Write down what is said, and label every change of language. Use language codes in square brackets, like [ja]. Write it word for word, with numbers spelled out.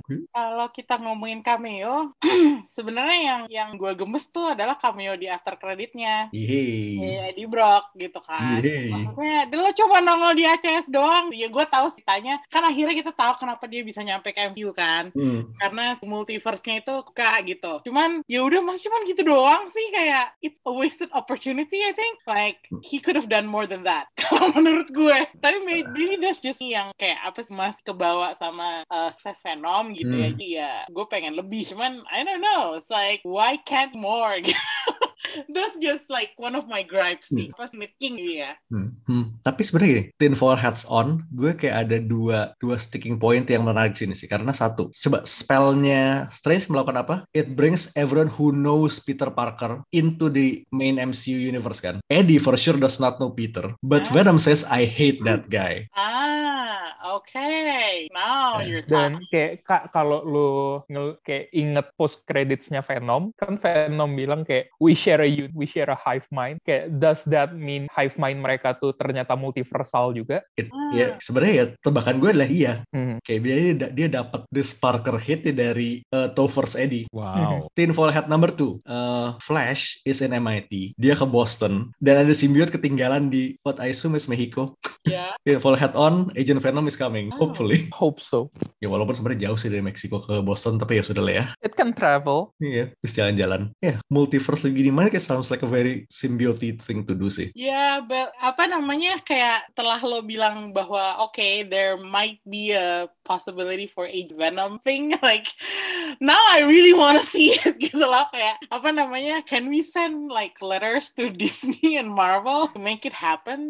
[id] Kalau kita ngomongin cameo, sebenarnya yang yang gue gemes tuh adalah cameo di after creditnya. Iya, di Brock gitu kan. Yeay. Maksudnya lo coba nongol di A C S doang. Ya gue tahu ceritanya, kan akhirnya kita tahu kenapa dia bisa nyampe ke M C U kan, hmm. karena multiverse-nya itu kak gitu. Cuman ya udah, mas cuman gitu doang sih, kayak [en] it's a wasted opportunity. I think like he could have done more than that [id] kalau menurut gue. Tapi [en] maybe that's just [id] yang kayak apa sih, mas kebawa sama uh, Seth Venom gitu hmm. ya. Jadi ya gue pengen lebih. [en] Cuman I don't know, it's like why can't more gitu. That's just like one of my gripes sih. [id] Pas nitpicking ya. Hmm. Hmm. Tapi sebenarnya gini, [en] tinfoil hats on, [id] gue kayak ada dua dua [en] sticking point [id] yang menarik sini sih. Karena satu, coba spellnya Strange melakukan apa? [en] It brings everyone who knows Peter Parker into the main M C U universe kan. Eddie for sure does not know Peter, but ah. Venom says I hate that guy. Ah, oke. Okay. Now [id] dan, [en] you're [id] done. Dan kayak kak, kalau lu ngel- kayak inget post creditsnya Venom, kan Venom bilang kayak [en] we share a unit, we share a hive mind. [id] Kayak, [en] does that mean hive mind [id] mereka tuh ternyata multiversal juga? It, ya, sebenarnya ya tebakan gue adalah iya. Hmm. Kayak dia dia dapat [en] this Parker hit [id] dari uh, Topher's Eddie. [en] Wow. Hmm. Tinfoil hat number two. Uh, Flash is in M I T. [id] Dia ke Boston dan ada simbiot ketinggalan di [en] what I assume is Mexico. Yeah. Tinfoil hat on, Agent Venom is coming. Oh. Hopefully. Hope so. [id] Ya walaupun sebenarnya jauh sih dari Mexico ke Boston, tapi ya sudah lah ya. [en] It can travel. [id] Iya, yeah. Terus jalan-jalan. Ya, yeah. Multiverse lagi di mana? [en] Kayak sounds like a very symbiotic thing to do sih. Ya, yeah, [id] apa namanya, kayak telah lo bilang bahwa oke, [en] okay, there might be a possibility for a Venom thing, like now I really want to see it [id] gitu loh, kayak apa namanya, [en] can we send like letters to Disney and Marvel to make it happen?